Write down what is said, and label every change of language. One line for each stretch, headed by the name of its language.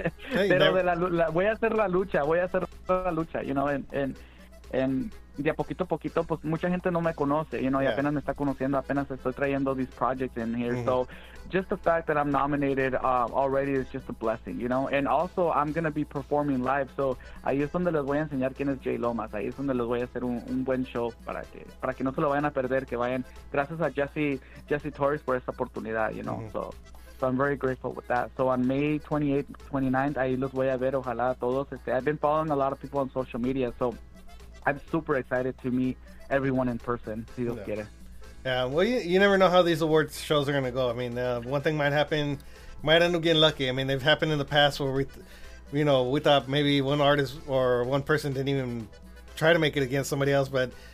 Spanish: Pero voy a hacer la lucha,
English: you know, and
Spanish: de a poquito a poquito, pues mucha gente no me conoce, you know, y apenas me está conociendo, apenas estoy trayendo
English: these projects in here. Mm-hmm. So just the fact that I'm nominated already is just a blessing, you know. And also, I'm going to be performing live.
Spanish: So ahí es donde les voy a enseñar quién es J Lomas. Ahí es donde les voy a hacer un buen show para que no se lo vayan a perder, que vayan. Gracias a Jesse Torres por esta oportunidad,
English: you know.
Spanish: Mm-hmm.
English: So I'm very grateful with that. So on May 28th, 29th,
Spanish: ahí los voy a ver, ojalá todos.
English: I've been following a lot of people on social media, so I'm super excited to meet everyone in person. So you'll get it. Yeah, well, you never know how these awards shows are going to go. I mean, one thing might happen, might end up getting lucky. I mean, they've happened in the past where we thought maybe one artist or one person didn't even try to make it against somebody else, but